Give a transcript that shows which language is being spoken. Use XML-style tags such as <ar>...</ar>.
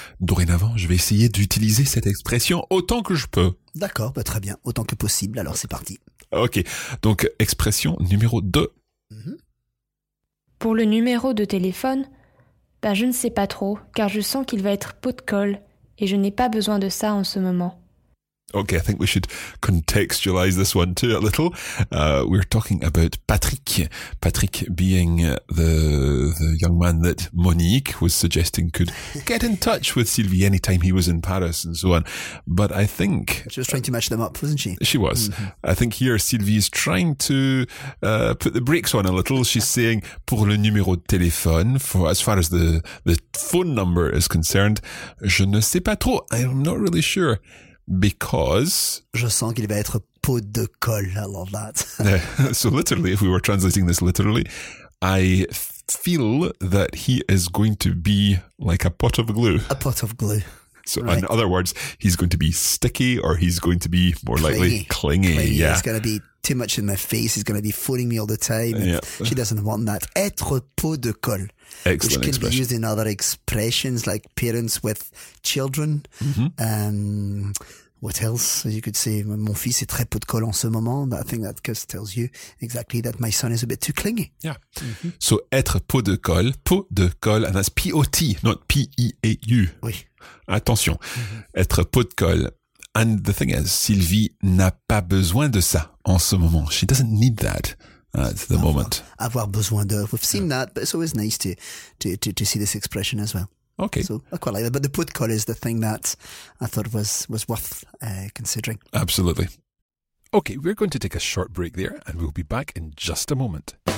<fr>Dorénavant, je vais essayer d'utiliser cette expression autant que je peux. D'accord, bah très bien. Autant que possible. Alors, c'est parti. Ok. Donc, expression numéro 2. Mm-hmm. Pour le numéro de téléphone, ben, je ne sais pas trop, car je sens qu'il va être pot de colle et je n'ai pas besoin de ça en ce moment.</fr> <en>Ok, I think we should contextualize this one too a little. We're talking about Patrick. Patrick being the young man that Monique was suggesting could get in touch with Sylvie anytime he was in Paris and so on. But I think... She was trying to match them up, wasn't she? She was. Mm-hmm. I think here Sylvie is trying to put the brakes on a little. She's saying,</en> <fr>pour le numéro de téléphone,</fr> <en>for as far as the phone number is concerned,</en> <fr>je ne sais pas trop.</fr> <en>I'm not really sure. Because</en> <fr>je sens qu'il va être pot de colle.</fr> <en>I love that. So literally, if we were translating this literally, I feel that he is going to be like a pot of glue. A pot of glue. So right. In other words, he's going to be sticky, or he's going to be more likely clingy. Yeah, he's going to be too much in my face. He's going to be fooling me all the time. And yeah. She doesn't want that.</en> <fr>Être pot de colle.</fr> <en>Excellent. Which can expression. Be used in other expressions like parents with children. Mm-hmm. What else? You could say,</en> <fr>mon fils est très pot de colle en ce moment.</fr> <en>But I think that just tells you exactly that my son is a bit too clingy. Yeah. Mm-hmm. So,</en> <fr>être pot de colle,</fr> <en>and that's P-O-T, not P-E-A-U.</en> <fr>Oui. Attention. Mm-hmm. Être pot de colle.</fr> <en>And the thing is,</en> <fr>Sylvie n'a pas besoin de ça en ce moment.</fr> <en>She doesn't need that. At the moment.</en> <fr>Avoir besoin de.</fr> <en>We've seen that, but it's always nice to see this expression as well. Okay. So I quite like that. But the put call is the thing that I thought was worth considering. Absolutely. Okay, we're going to take a short break there and we'll be back in just a moment.</en>